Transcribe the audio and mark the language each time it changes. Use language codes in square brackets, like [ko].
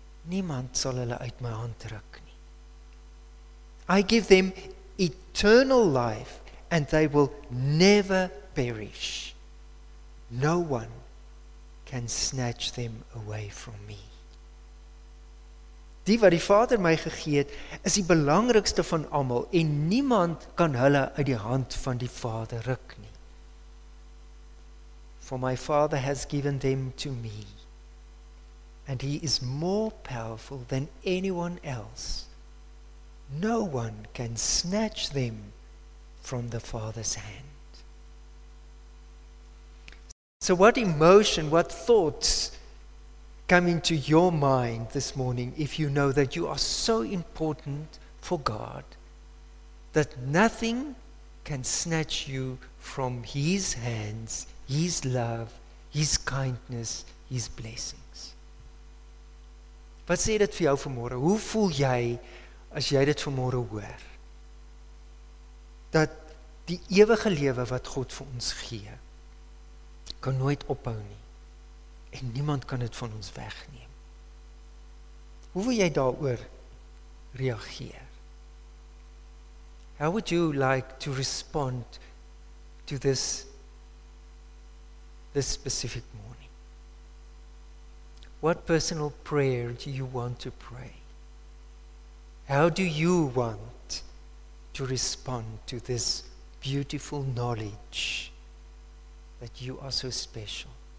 [af] Niemand sal hulle uit my hand ruk nie. [en] I give them eternal life, and they will never perish. No one can snatch them away from me. [af] Die wat die Vader my gegee het, is die belangrikste van allemaal, en niemand kan hulle uit die hand van die Vader ruk nie. [en] For my Father has given them to me, and He is more powerful than anyone else. No one can snatch them from the Father's hand. So what emotion, what thoughts come into your mind this morning if you know that you are so important for God that nothing can snatch you from His hands, His love, His kindness, His blessings? [af] Wat sê dit vir jou vanmorgen? Hoe voel jy as jy dit vanmorgen hoor? Dat die ewige lewe wat God vir ons gee, kan nooit ophou nie. En niemand kan dit van ons wegneem. Hoe wil jy daaroor reageer? [en] How would you like to respond to this specific morning? What personal prayer do you want to pray? How do you want to respond to this beautiful knowledge that you are so special?